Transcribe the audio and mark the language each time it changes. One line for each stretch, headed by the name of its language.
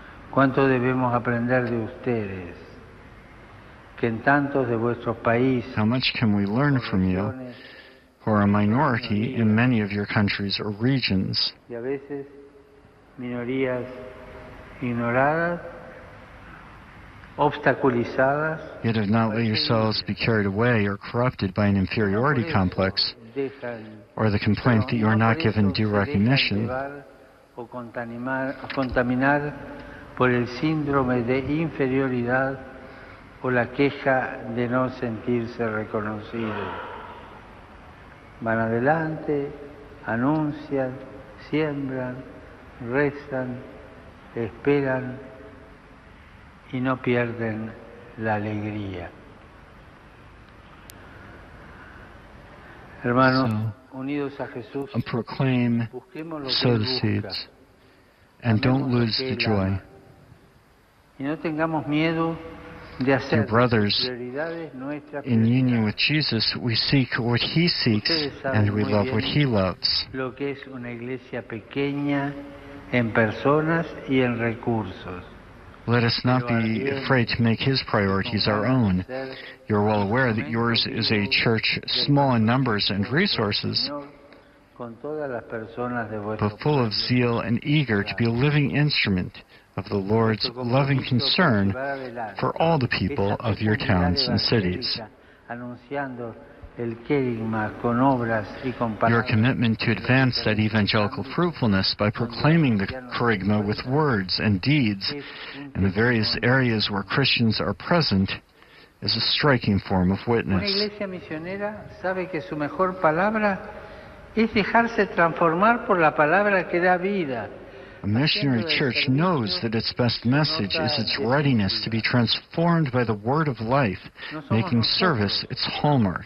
Spanish: ¿Cuánto debemos aprender de ustedes? Que en tantos de vuestros países.
English: How much can we learn from you, who are a minority in many of your countries or regions?
Spanish: Y a veces, minorías. Ignoradas, obstaculizadas,
English: yet if not let yourselves be carried away or corrupted by an inferiority complex or the complaint that you are not given due recognition,
Spanish: contaminar por el síndrome de inferioridad o la queja de no sentirse reconocido. Van adelante, anuncian, siembran, rezan, esperan y no pierden la alegría. Hermanos, unidos a Jesús,
English: proclaim, sow the seeds, and don't lose the joy.
Spanish: Y no tengamos miedo de hacer.
English: Dear brothers, in union with Jesus, we seek what He seeks and we love what He loves.
Spanish: Lo que es una iglesia pequeña. En personas y en recursos.
English: Let us not be afraid to make His priorities our own. You are well aware that yours is a church small in numbers and resources, but full of zeal and eager to be a living instrument of the Lord's loving concern for all the people of your towns and cities.
Spanish: Anunciando
English: Your commitment to advance that evangelical fruitfulness by proclaiming the kerygma with words and deeds in the various areas where Christians are present is a striking form of witness.
Spanish: Una iglesia misionera sabe que su mejor palabra es dejarse transformar por la palabra que da vida.
English: A missionary church knows that its best message is its readiness to be transformed by the word of life, making service its hallmark.